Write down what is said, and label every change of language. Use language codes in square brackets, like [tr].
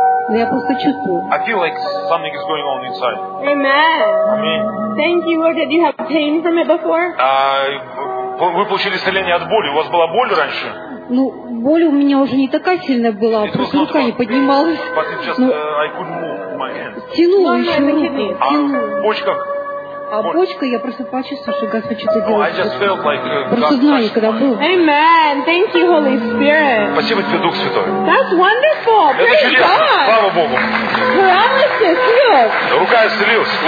[ru] Я просто чувствую. [en] I feel like something is going on inside. Amen. Amen. Thank you, Lord. Did you have pain from it before? [ru] Вы получили исцеление от боли. У вас была боль раньше? Ну, боль у меня уже не такая сильная была, просто рука не поднималась. [en] But it's just, I couldn't move my hands. [ru] Тянула еще руку. А в почках? А почка, я просто почувствовала, что Господь что-то делает. [en] I just felt like [ru] просто знание, когда был. [en] Amen. Thank you, Holy Spirit. [ru] Спасибо тебе, Дух Святой. [en] That's wonderful. Praise God. [ru] Слава Богу. [en] Paralysis healed. [ru] Рука исцелилась.